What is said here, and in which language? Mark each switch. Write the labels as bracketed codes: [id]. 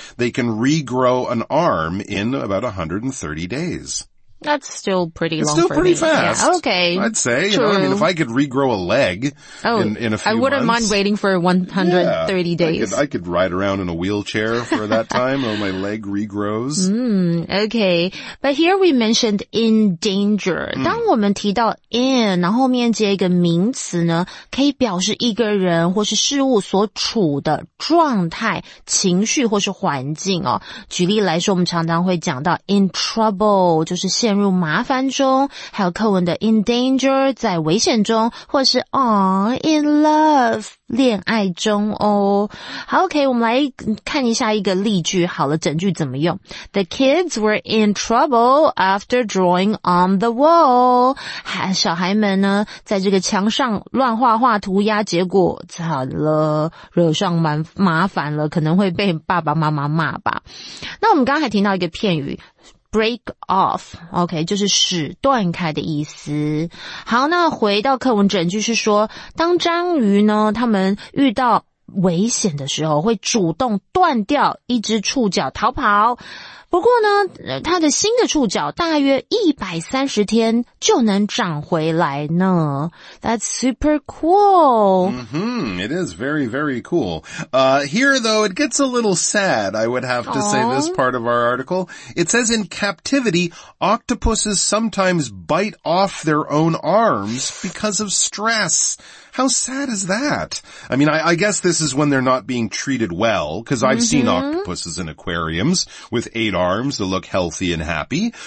[en] They can regrow an arm in about 130 days. That's still pretty long. It's still pretty fast. Yeah. Okay. I'd say. True. You know, I mean, if I could regrow a leg in a few months. I wouldn't mind waiting for 130 days. I could ride around in a wheelchair for that time while my leg regrows. Okay. But here we mentioned in danger. [zh] 当我们提到 in, 然后后面接一个名词呢，可以表示一个人或是事物所处的状态、情绪或是环境哦。举例来说，我们常常会讲到 in trouble, 就是陷入麻烦中，还有课文的 in danger, 在危险中，或是 aww, in love, 恋爱中哦。好 ,OK, 我们来看一下一个例句，好了，整句怎么用。 [en] The kids were in trouble after drawing on the wall. [zh] 小孩们呢，在这个墙上乱画画涂鸦，结果惨了，惹上麻烦了，可能会被爸爸妈妈骂吧。那我们刚才听到一个片语break off, OK, 就是使断开的意思。好，那回到课文整句是说，当章鱼呢，他们遇到危险的时候，会主动断掉一只触角逃跑。不过呢，他的新的触角大约130天就能长回来呢。 [en] That's super cool. Mm-hmm, it is very, very cool. Here, though, it gets a little sad, I would have to say, this part of our article. It says, in captivity, octopuses sometimes bite off their own arms because of stress. How sad is that? I mean, I guess this is when they're not being treated well, because I've mm-hmm. seen octopuses in aquariums with 8 arms that look healthy and happy.